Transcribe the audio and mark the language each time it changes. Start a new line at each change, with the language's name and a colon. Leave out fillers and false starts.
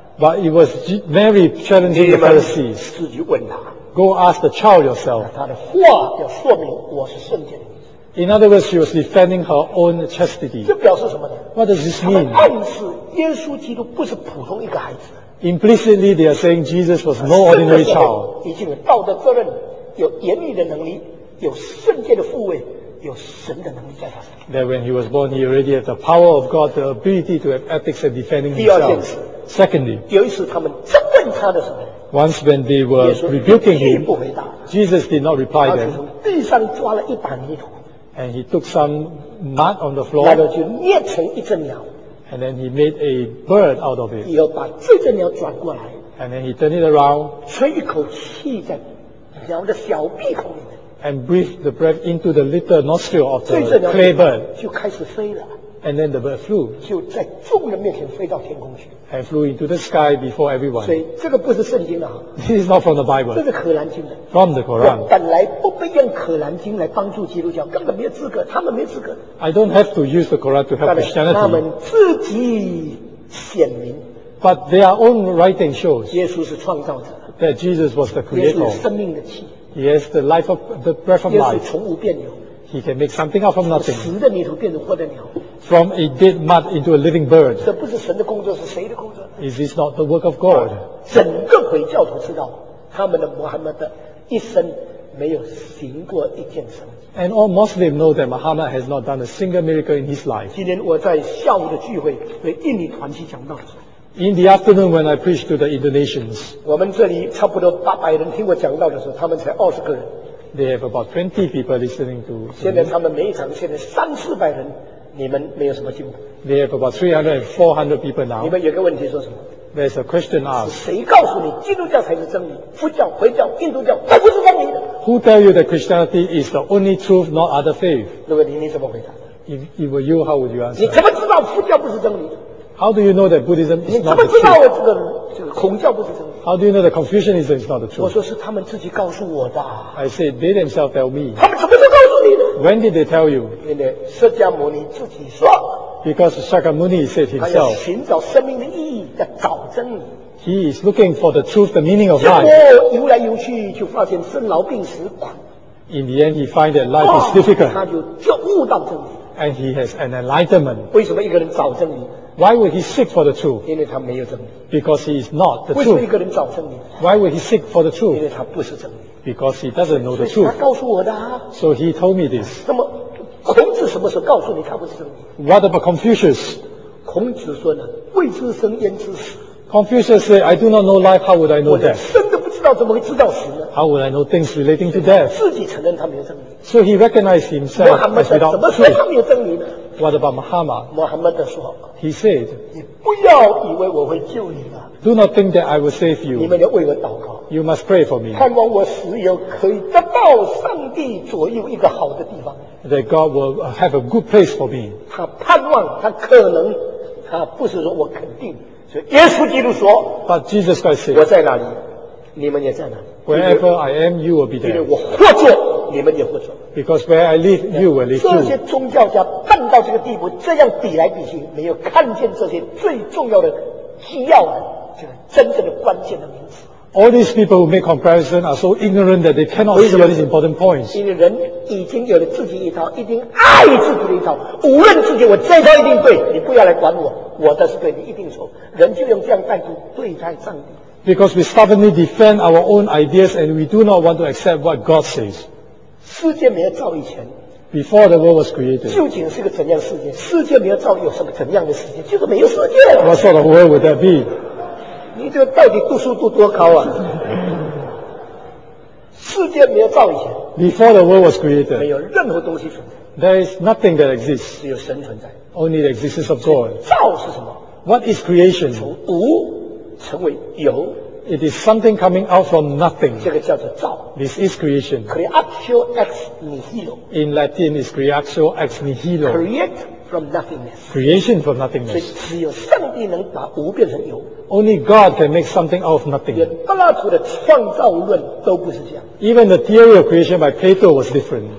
English: But it was Mary challenging the Pharisees.
Chinese: 自己问他。
English: Go ask the child yourself.
Chinese: 他的话要说明我是圣洁的。
English: In other words, she was defending her own chastity.
Chinese: 这表示什么呢
English: ？What does this mean?
Chinese: 他们暗示耶稣基督不是普通一个孩子。
English: Implicitly, they are saying Jesus was no ordinary child.
Chinese: 已经有道德责任，有严厉的能力，有圣洁的父位，有神的能力在他身上。
English: That when he was born, he already had the power of God, the ability to have ethics and defending himself.
Chinese: 第二件事。
English: Secondly.
Chinese: 有一次他们争论他的时候。
English: Once when they were rebuking him.
Chinese: 耶稣不回答。
English: Jesus did not reply them.
Chinese: 他从地上抓了一把泥土。
English: And he took some mud on the floor.
Chinese: 然后就捏成一只鸟。
English: And then he made a bird out of it.
Chinese: 以后把这只鸟转过来。
English: And then he turned it around.
Chinese: 吹一口气在鸟的小鼻孔里面。
English: And breathed the breath into the little nostril of the clay bird.
Chinese: 就开始飞了。
English: And then the bird flew.
Chinese: 就在众人面前飞到天空去。
English: And flew into the sky before everyone.
Chinese: 所以这个不是圣经啊。
English: This is not from the Bible.
Chinese: 这是可兰经的。
English: From the Quran.
Chinese: 本来不被用可兰经来帮助基督教，根本没有资格，他们没资格。
English: I don't have to use the Quran to help Christianity.
Chinese: 他们自己显明。
English: But their own writing shows.
Chinese: 耶稣是创造者。
English: That Jesus was the creator.
Chinese: 耶稣是生命的气。
English: He has the life of the breath of life.
Chinese: 耶稣从无变有。
English: He can make something out from nothing.
Chinese: 死的泥土变成活的鸟。
English: From a dead mud into a living bird.
Chinese: 这不是神的工作，是谁的工作？
English: Is this not the work of God?
Chinese: 整个回教徒知道，他们的穆罕默德一生没有行过一件神迹。
English: And all Muslims know that Muhammad has not done a single miracle in his life.
Chinese: 今天我在下午的聚会对印尼团体讲道。
English: In the afternoon when I preached to the Indonesians.
Chinese: 我们这里差不多800人听我讲道的时候，他们才20个人。
English: They have about 20 people listening to.
Chinese: 现在他们每一场现在三四百人。你们没有什么进步。
English: They have about 300 and 400 people now.
Chinese: 你们有个问题说什么
English: ？There's a question asked.
Chinese: 是谁告诉你基督教才是真理？佛教、回教、印度教都不是真理的。
English: who tell you that Christianity is the only truth, not other faith?
Chinese: 那么你怎么回答？
English: If were you, how would you answer?
Chinese: 你怎么知道佛教不是真理？
English: How do you know that Buddhism is not the truth?
Chinese: 你怎么知道我这个孔教不是真理？
English: How do you know that Confucianism is not the truth?
Chinese: 我说是他们自己告诉我的。
English: I said they themselves tell me.
Chinese: 他们怎么都告诉你的？
English: When did they tell you?
Chinese: 因为释迦牟尼自己说。
English: Because Shakyamuni said himself,
Chinese: 他要寻找生命的意义，在找真理。
English: He is looking for the truth, the meaning of life.
Chinese: 结果游来游去，就发现生老病死苦。
English: In the end, he finds that life is difficult.
Chinese: 他就悟到真理。
English: And he has an enlightenment.
Chinese: 为什么一个人找真理？
English: Why would he seek for the truth?
Chinese: 因为他没有真理。
English: Because he is not the truth.
Chinese: 为什么一个人找真理？
English: Why would he seek for the truth?
Chinese: 因为他不是真理。
English: Because he doesn't know the truth.
Chinese: 他告诉我的啊。
English: So he told me this.
Chinese: 那么孔子什么时候告诉你他不是真理？
English: What about Confucius?
Chinese: 孔子说呢，未知生焉知死。
English: Confucius said, I do not know life, how would I know death?
Chinese: 我真的不知道怎么会知道死呢？
English: How would I know things relating to death?
Chinese: 自己承认他没有真理。
English: So he recognized himself as without truth.
Chinese: 怎么说他没有真理呢？
English: What about Muhammad? Muhammad said, He said,
Chinese: 你不要以为我会救你了。
English: Do not think that I will save you.
Chinese: 你们要为我祷告。
English: You must pray for me.
Chinese: 盼望我死以后可以得到上帝左右一个好的地方。
English: That God will have a good place for me.
Chinese: 他盼望，他可能，他不是说我肯定。所以耶稣基督说
English: ，But Jesus Christ said,
Chinese: 我在哪里，你们也在哪里。
English: Wherever I am, you will be there.
Chinese: 因为我活着，你们也活着。
English: Because where I live, you will live too.
Chinese: 这些宗教家笨到这个地步，这样比来比去，没有看见这些最重要的基要的，这个真正的关键的名词。
English: All these people who make comparison are so ignorant that they cannot see all these important points.
Chinese: 因为人已经有了自己一套，一定爱自己的一套。无论自己，我这套一定对，你不要来管我，我的是对，你一定错。人就用这样态度对待上帝。
English: Because we stubbornly defend our own ideas and we do not want to accept what God says.
Chinese: 世界没有造以前。
English: Before the world was created.
Chinese: 究竟是个怎样世界？世界没有造，有什么怎样的世界？就是没有世界。
English: What sort of world would that be?
Chinese: 你这个到底读书读多高啊？世界没有造以前
English: ，Before the world was created，
Chinese: 没有任何东西存在。
English: There is nothing that exists，
Chinese: 只有神存在。
English: Only the existence of God。
Chinese: 造是什么
English: ？What is creation？
Chinese: 从无成为有。
English: It is something coming out from nothing。
Chinese: 这个叫做造。
English: This is creation。
Latin: Creatio ex nihilo。
English: In Latin is
Latin: creatio ex nihilo。
English: Create from nothingness。 Creation from nothingness。
Chinese: 所以只有上帝能把无变成有。
English: Only God can make something out of nothing.
Chinese: 连柏拉图的创造论都不是这样。
English: Even the theory of creation by Plato was different.